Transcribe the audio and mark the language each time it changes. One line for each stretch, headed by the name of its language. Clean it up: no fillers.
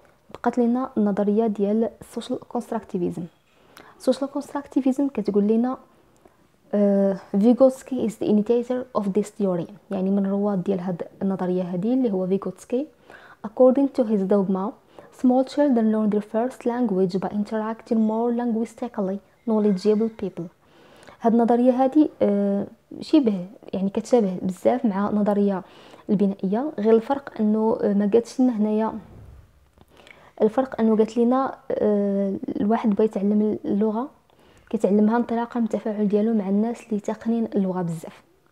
Arabic: بقات لنا النظريه ديال social constructivism.
English: Social constructivism
Arabic: كتقول لنا فيغوتسكي
English: is the initiator of this theory.
Arabic: يعني من رواد ديال هاد النظرية هادي اللي هو فيغوتسكي.
English: According to his dogma, small children learn their first language by interacting more linguistically knowledgeable people.
Arabic: هاد النظرية هادي شبه يعني كتشابه بزاف مع نظرية البنائية، غير الفرق انه ما قالتش لنا هنايا، الفرق انه قالت لنا الواحد بغى يتعلم اللغه كيتعلمها انطلاقا من التفاعل ديالو مع الناس اللي تقنين اللغه بزاف.